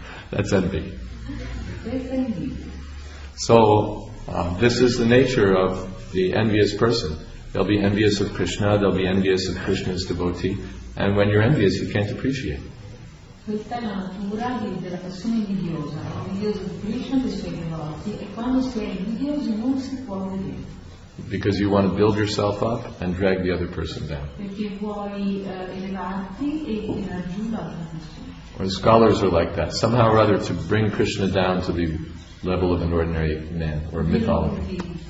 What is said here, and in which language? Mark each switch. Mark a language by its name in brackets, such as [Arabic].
[English] That's envy. So, This is the nature of the envious person. They'll be envious of Krishna, they'll be envious of Krishna's devotee, and when you're envious, you can't appreciate. [Italian] Questa è la natura della passione invidiosa, invidiosa di Krishna e dei suoi devoti, e quando si è invidiosi non si può vedere. [English] Because you want to build yourself up and drag the other person down. [Italian] Perché vuoi elevarti e tirare l'altra persona. [English] Or scholars are like that. Somehow or other, to bring Krishna down to the level of an ordinary man or mythology.